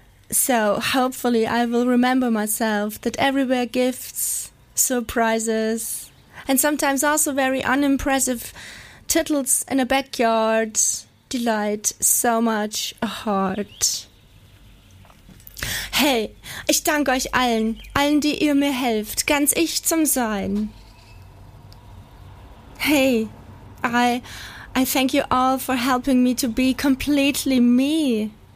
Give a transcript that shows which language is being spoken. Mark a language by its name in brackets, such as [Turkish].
[English] So hopefully I will remember myself that everywhere gifts, surprises, and sometimes also very unimpressive tittles in a backyard delight so much a heart. [German] Hey, ich danke euch allen, allen, die ihr mir helft, ganz ich zum Sein. [English] Hey, I thank you all for helping me to be completely me.